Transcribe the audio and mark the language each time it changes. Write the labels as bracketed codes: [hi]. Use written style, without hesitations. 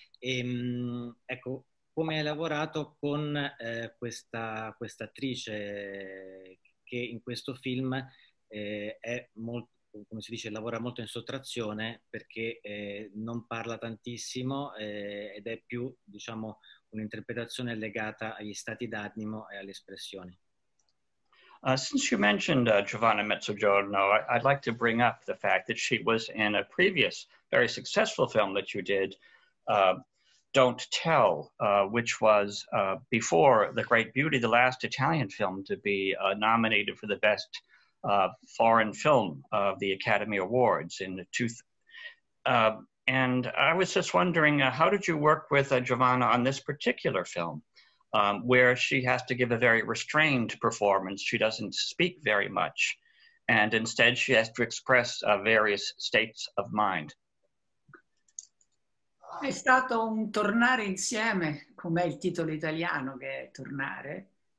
[it] E ecco, come hai lavorato con questa attrice che in questo film è molto, come si dice, lavora molto in sottrazione, perché non parla tantissimo ed è più, diciamo, un'interpretazione legata agli stati d'animo e alle espressioni. [en] Since you mentioned Giovanna Mezzogiorno, I'd like to bring up the fact that she was in a previous very successful film that you did, Don't Tell, which was before The Great Beauty, the last Italian film to be nominated for the best foreign film of the Academy Awards in the and I was just wondering, how did you work with Giovanna on this particular film, where she has to give a very restrained performance? She doesn't speak very much, and instead she has to express various states of mind. [it] È stato un tornare insieme, come il titolo italiano, che è tornare.